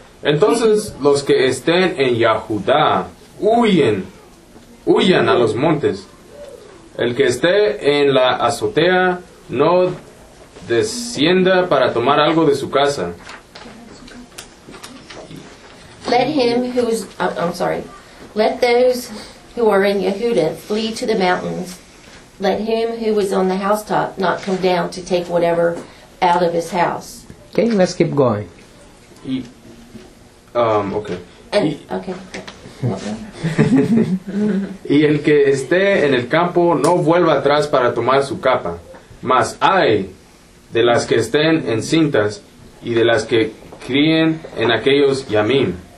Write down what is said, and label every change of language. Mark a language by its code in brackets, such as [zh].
[es] Entonces, los que estén en Yahudá, huyan a los montes. El que esté en la azotea, no descienda para tomar algo de su casa. [en] Let those who are in Yehuda flee to the mountains. Let him who is on the housetop not come down to take whatever out of his house. Okay, let's keep going. [es] Y el que esté en el campo no vuelva atrás para tomar su capa. Mas hay de las que estén encintas y de las que críen en aquellos yamim.